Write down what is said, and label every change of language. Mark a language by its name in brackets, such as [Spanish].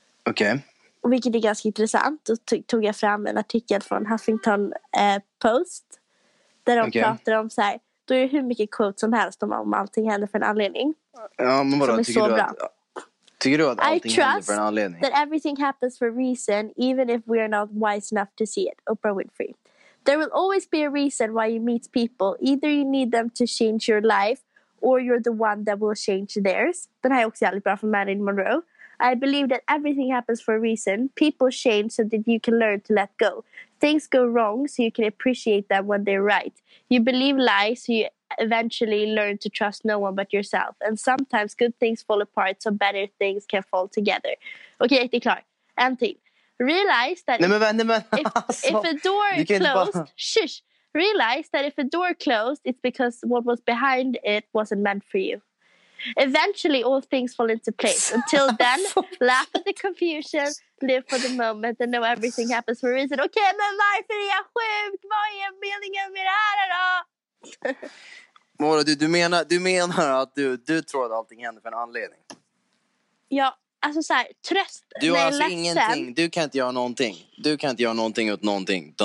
[Swedish] Okej. Okay. Vilket är ganska intressant. Då tog jag fram en artikel från Huffington Post. Där de pratar om så här, då är det hur mycket quote som helst om allting händer för en anledning. Ja, men vadå, tycker du att allting händer för en anledning? [English] I trust that everything happens for a reason, even if we are not wise enough to see it. Oprah Winfrey. There will always be a reason why you meet people. Either you need them to change your life or you're the one that will change theirs. [Swedish] Den här är också jävligt bra från Marilyn Monroe. [English] I believe that everything happens for a reason. People change so that you can learn to let go. Things go wrong so you can appreciate them when they're right. You believe lies so you eventually learn to trust no one but yourself. And sometimes good things fall apart so better things can fall together. [Swedish] Okej, det är klart. En till. [English] Realize that if a door closed, realize that if a door closed, it's because what was behind it wasn't meant for you. Eventually, all things fall into place. Until then, laugh at the confusion, live for the moment, and know everything happens for a reason. [Swedish] Okay, men varför är jag sjuk? Vad är meningen med det här då? Mora, du menar att du tror att allting händer för en anledning? Ja. Alltså så här, tröst. Du har alltså ingenting, du kan inte göra någonting. Du kan inte göra någonting åt någonting.